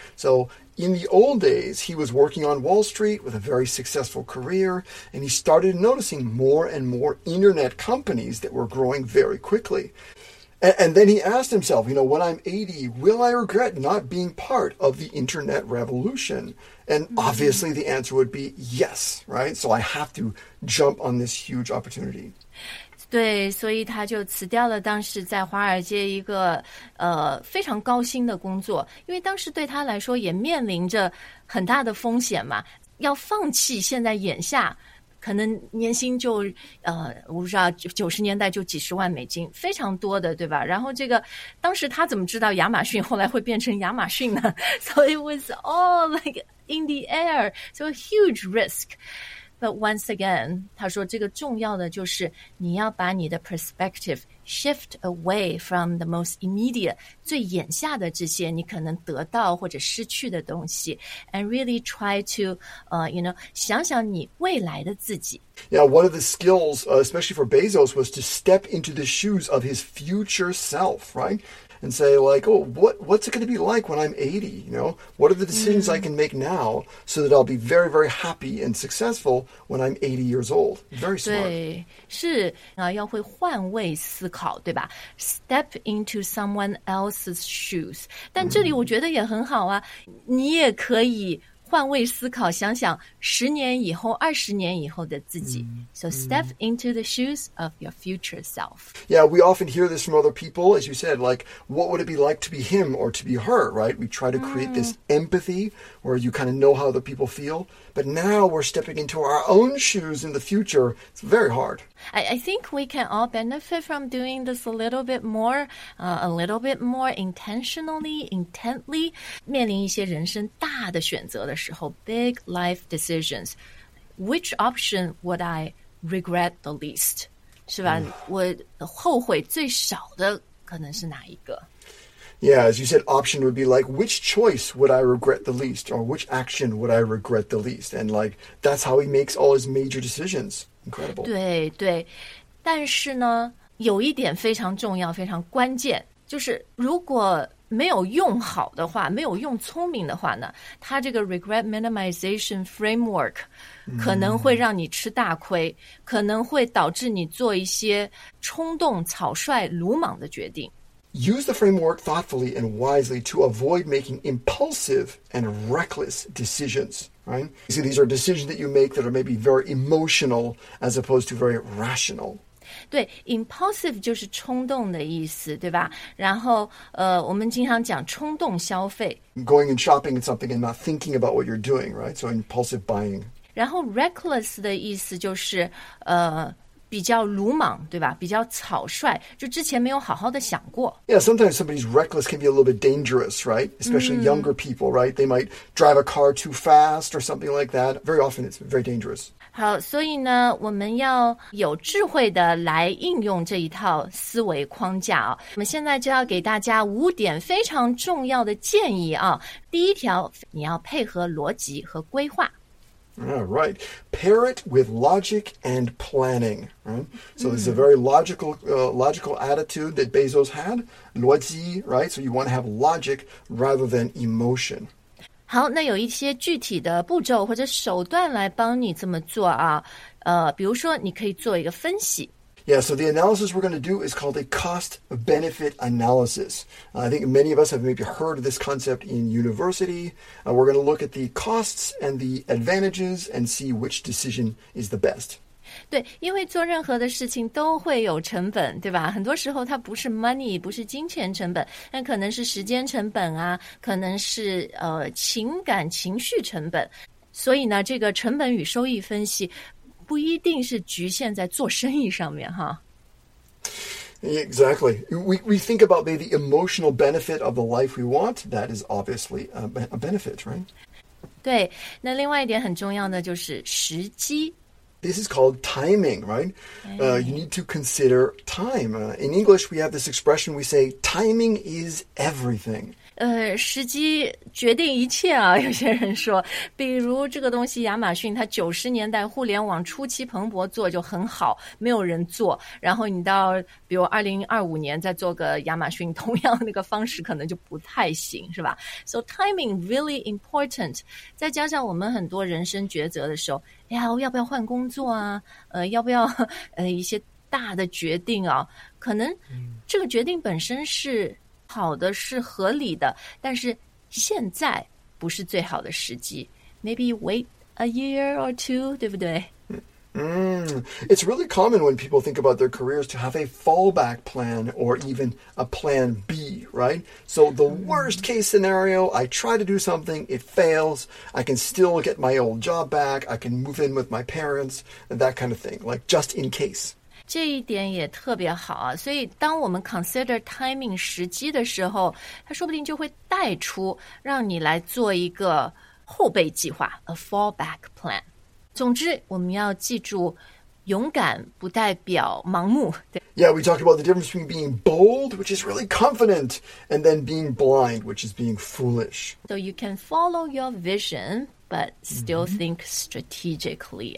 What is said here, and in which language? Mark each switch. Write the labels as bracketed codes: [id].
[en] So in the old days, he was working on Wall Street with a very successful career, and he started noticing more and more internet companies that were growing very quickly. And then he asked himself, you know, when I'm 80, will I regret not being part of the internet revolution? And obviously the answer would be yes, right? So I have to jump on this huge opportunity. [zh] 对，所以他就辞掉了当时在华尔街一个非常高薪的工作，因为当时对他来说也面临着很大的风险嘛，要放弃现在眼下可能年薪就我不知道90年代就几十万美金，非常多的，对吧？然后这个当时他怎么知道亚马逊后来会变成亚马逊呢？ [en] So it was all like in the air, so a huge risk. But once again, [zh] 他说这个重要的就是你要把你的 [en] perspective shift away from the most immediate, [zh] 最眼下的这些你可能得到或者失去的东西 [en] and really try to, you know, [zh] 想想你未来的自己。 [en] Yeah, one of the skills, especially for Bezos, was to step into the shoes of his future self, right? and say, like, oh, what's it going to be like when I'm 80? You know, what are the decisions I can make now so that I'll be very, very happy and successful when I'm 80 years old? Very smart. [zh] 对，是，要会换位思考，对吧？ [en] Step into someone else's shoes. [zh] 但这里我觉得也很好啊，你也可以换位思考，想想十年以后、二十年以后的自己。 [en] So step into the shoes of your future self. Yeah, we often hear this from other people, as you said, like, what would it be like to be him or to be her, right? We try to create this empathy where you kind of know how other people feel. But now we're stepping into our own shoes in the future. It's very hard. I think we can all benefit from doing this a little bit more, a little bit more intentionally, intently. [zh] 面临一些人生大的选择的时候, [en] big life decisions. Which option would I regret the least? 是吧? [zh] 我后悔最少的可能是哪一个? [en] Yeah, as you said, option would be like, which choice would I regret the least? Or which action would I regret the least? And like, that's how he makes all his major decisions. Incredible. [zh] 对对，但是呢，有一点非常重要，非常关键，就是如果没有用好的话，没有用聪明的话呢，它这个 regret minimization framework 可能会让你吃大亏，可能会导致你做一些冲动、草率、鲁莽的决定。 [en] Use the framework thoughtfully and wisely to avoid making impulsive and reckless decisions. Right? You see, these are decisions that you make that are maybe very emotional as opposed to very rational. [zh] 对 ,impulsive 就是冲动的意思,对吧? 然后我们经常讲冲动消费。 [en] Going and shopping at something and not thinking about what you're doing, right? So impulsive buying. [zh] 然后 reckless 的意思就是比较鲁莽,对吧? 比较草率,就之前没有好好的想过。 [en] Yeah, sometimes somebody's reckless can be a little bit dangerous, right? Especially younger people, right? They might drive a car too fast or something like that. Very often it's very dangerous. [zh] 好,所以呢,我们要有智慧的来应用这一套思维框架哦。我们现在就要给大家五点非常重要的建议哦。第一条,你要配合逻辑和规划。 [en] All right. Pair it with logic and planning. Right? So this is a very logical attitude that Bezos had. 逻辑, right? So you want to have logic rather than emotion. [zh] 好,那有一些具体的步骤或者手段来帮你这么做啊。比如说你可以做一个分析。 [en] Yeah, so the analysis we're going to do is called a cost-benefit analysis. I think many of us have maybe heard of this concept in university. We're going to look at the costs and the advantages and see which decision is the best. [zh] 对，因为做任何的事情都会有成本，对吧？很多时候它不是 money, 不是金钱成本，但可能是时间成本啊，可能是情感情绪成本。所以呢，这个成本与收益分析不一定是局限在做生意上面哈。 [en] Exactly. We think about the emotional benefit of the life we want. That is obviously a benefit, right? [zh] 对，那另外一点很重要的就是时机。 [en] This is called timing, right? You need to consider time. In English, we have this expression, we say, timing is everything. [zh] 时机决定一切啊，有些人说。比如这个东西亚马逊，它90年代互联网初期蓬勃做就很好，没有人做。然后你到比如2025年再做个亚马逊，同样那个方式可能就不太行，是吧？ [en] So timing really important. [zh] 再加上我们很多人生抉择的时候，哎呀，要不要换工作啊？要不要一些大的决定啊？可能这个决定本身是好的，是合理的，但是现在不是最好的时机。 [en] Maybe wait a year or two, [zh] 对不对？ [en] It's really common when people think about their careers to have a fallback plan or even a plan B, right? So the worst case scenario, I try to do something, it fails, I can still get my old job back, I can move in with my parents, and that kind of thing, like just in case. [zh] 这一点也特别好啊，所以当我们 consider timing 时机的时候，它说不定就会带出让你来做一个后备计划, [en] a fallback plan. [zh] 总之我们要记住勇敢不代表盲目。 [en] Yeah, we talked about the difference between being bold, which is really confident, and then being blind, which is being foolish. So you can follow your vision, but still think strategically.